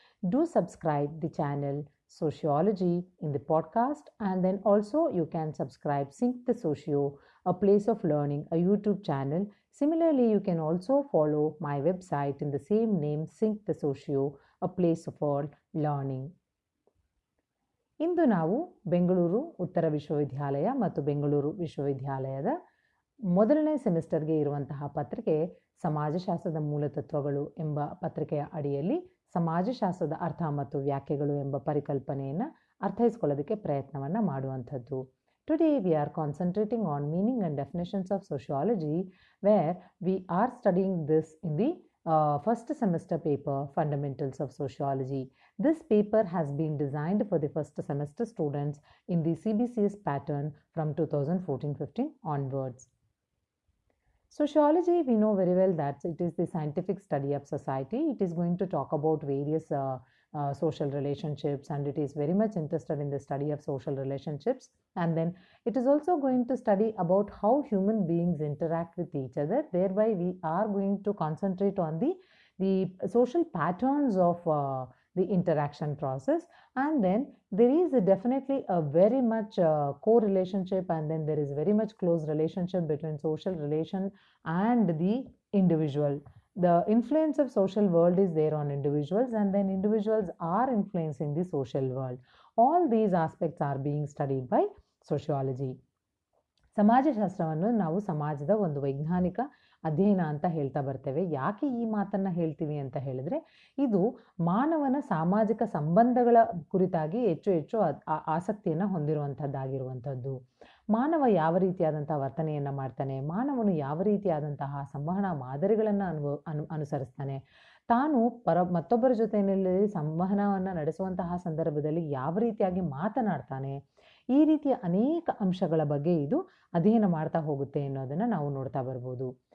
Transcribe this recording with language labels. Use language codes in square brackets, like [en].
[en] Do subscribe the channel Sociology in the podcast, and then also you can subscribe Sync the Socio, a place of learning, a YouTube channel. Similarly, you can also follow my website in the same name, Sync the Socio, a place of all learning. [kn] ಇಂದು ನಾವು ಬೆಂಗಳೂರು ಉತ್ತರ ವಿಶ್ವವಿದ್ಯಾಲಯ ಮತ್ತು ಬೆಂಗಳೂರು ವಿಶ್ವವಿದ್ಯಾಲಯದ ಮೊದಲನೇ ಸೆಮಿಸ್ಟರ್ಗೆ ಇರುವಂತಹ ಪತ್ರಿಕೆ ಸಮಾಜಶಾಸ್ತ್ರದ ಮೂಲತತ್ವಗಳು ಎಂಬ ಪತ್ರಿಕೆಯ ಅಡಿಯಲ್ಲಿ ಸಮಾಜಶಾಸ್ತ್ರದ ಅರ್ಥ ಮತ್ತು ವ್ಯಾಖ್ಯೆಗಳು ಎಂಬ ಪರಿಕಲ್ಪನೆಯನ್ನು ಅರ್ಥೈಸಿಕೊಳ್ಳೋದಕ್ಕೆ ಪ್ರಯತ್ನವನ್ನು ಮಾಡುವಂಥದ್ದು. [en] Today we are concentrating on meaning and definitions of sociology where we are studying this in the first semester paper, Fundamentals of Sociology. This paper has been designed for the first semester students in the CBCS pattern from 2014-15 onwards. Sociology, we know very well that it is the scientific study of society. It is going to talk about various social relationships, and it is very much interested in the study of social relationships. And then it is also going to study about how human beings interact with each other. Thereby we are going to concentrate on the social patterns of the interaction process. And then there is definitely a very much co-relationship, and then there is very much close relationship between social relation and the individual. The influence of social world is there on individuals, and then individuals are influencing the social world. All these aspects are being studied by sociology. [kn] ಸಮಾಜಶಾಸ್ತ್ರವನ್ನು ನಾವು ಸಮಾಜದ ಒಂದು ವೈಜ್ಞಾನಿಕ ಅಧ್ಯಯನ ಅಂತ ಹೇಳ್ತಾ ಬರ್ತೇವೆ. ಯಾಕೆ ಈ ಮಾತನ್ನು ಹೇಳ್ತೀವಿ ಅಂತ ಹೇಳಿದ್ರೆ, ಇದು ಮಾನವನ ಸಾಮಾಜಿಕ ಸಂಬಂಧಗಳ ಕುರಿತಾಗಿ ಹೆಚ್ಚು ಹೆಚ್ಚು ಆಸಕ್ತಿಯನ್ನು ಹೊಂದಿರುವಂಥದ್ದಾಗಿರುವಂಥದ್ದು. ಮಾನವ ಯಾವ ರೀತಿಯಾದಂತಹ ವರ್ತನೆಯನ್ನು ಮಾಡ್ತಾನೆ, ಮಾನವನು ಯಾವ ರೀತಿಯಾದಂತಹ ಸಂವಹನ ಮಾದರಿಗಳನ್ನು ಅನುಸರಿಸ್ತಾನೆ, ತಾನು ಮತ್ತೊಬ್ಬರ ಜೊತೆಯಲ್ಲಿ ಸಂವಹನವನ್ನು ನಡೆಸುವಂತಹ ಸಂದರ್ಭದಲ್ಲಿ ಯಾವ ರೀತಿಯಾಗಿ ಮಾತನಾಡ್ತಾನೆ, ಈ ರೀತಿಯ ಅನೇಕ ಅಂಶಗಳ ಬಗ್ಗೆ ಇದು ಅಧ್ಯಯನ ಮಾಡ್ತಾ ಹೋಗುತ್ತೆ ಅನ್ನೋದನ್ನು ನಾವು ನೋಡ್ತಾ ಬರ್ಬೋದು.